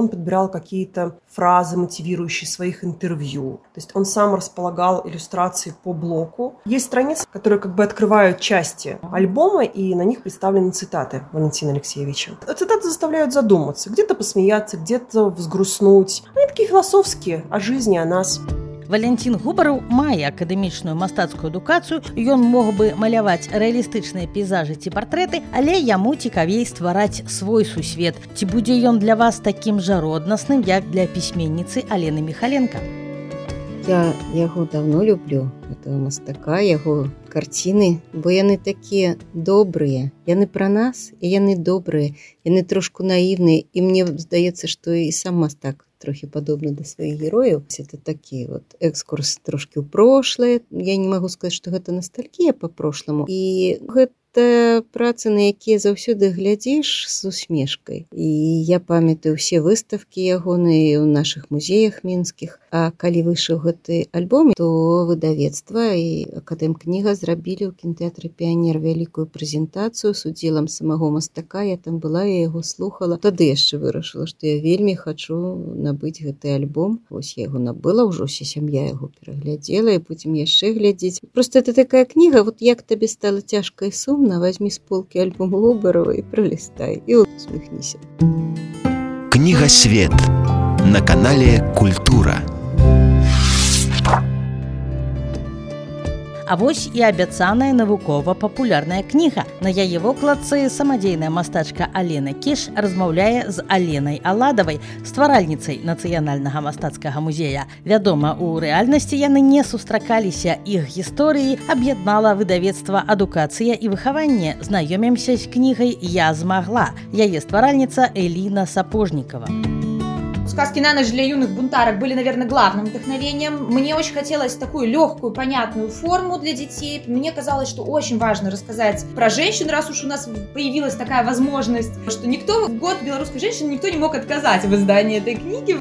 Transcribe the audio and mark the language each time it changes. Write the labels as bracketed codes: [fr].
[ru] Он подбирал какие-то фразы, мотивирующие своих интервью. То есть он сам располагал иллюстрации по блоку. Есть страницы, которые как бы открывают части альбома, и на них представлены цитаты Валентина Алексеевича. Цитаты заставляют задуматься, где-то посмеяться, где-то взгрустнуть. Они такие философские, о жизни, о нас. [be] Валентин Губараў мае акадэмічную мастацкую адукацыю, ён мог бы маляваць рэалістычныя пейзажы ці партрэты, але яму цікавей ствараць свой сусвет. Ці будзе ён для вас такім жа роднасным, як для пісьменніцы Алены Міхаленка? Я яго давно люблю, этого мастака, яго карціны, бо яны такія добрыя. Яны пра нас, і яны добрыя, яны трошку наіўныя, і мне здаецца, што і сам мастак [ru] трохи подобно до своих героев. Это такие вот экскурсы трошки в прошлое. Я не могу сказать, что это ностальгия по прошлому. [be] И это працы, на якія заўсёды глядзіш с усмешкой. [ru] И я памятаю все выставки ягоныя у наших музеях мінскіх. [be] А калі вышел гэты альбом, то выдавецтва и Акадэмкніга зрабілі у кінотэатры «Піанер» вялікую прэзентацыю с удзелам самого мастака. Я там была, я его слухала. Тады яшчэ вырашыла, что я вельмі хочу набыць гэты альбом. Вось я его набыла, уже вся сям'я его пераглядзела, и будем яшчэ глядзець. [ru] Просто это такая книга, вот [be] як табе стала тяжко и сумно, [ru] возьми с полки альбом Губарева и пролистай, и вот усмехнися. Книга «Свет» на канале «Культура». [be] А вось і абяцаная навукова-папулярная кніга. На яе вокладцы самадзейная мастачка Алена Кіш размаўляе з Аленай Аладавай, стваральніцай Нацыянальнага мастацкага музея. Вядома, у рэальнасці яны не сустракаліся, іх гісторыі аб'яднала выдавецтва «Адукацыя і выхаванне». Знаёмімся з кнігай «Я змагла». Яе стваральніца Эліна Сапожнікава. [ru] «Сказки на ночь для юных бунтарок» были, наверное, главным вдохновением. Мне очень хотелось такую легкую, понятную форму для детей. Мне казалось, что очень важно рассказать про женщин, раз уж у нас появилась такая возможность, что никто в год белорусской женщины никто не мог отказать в издании этой книги.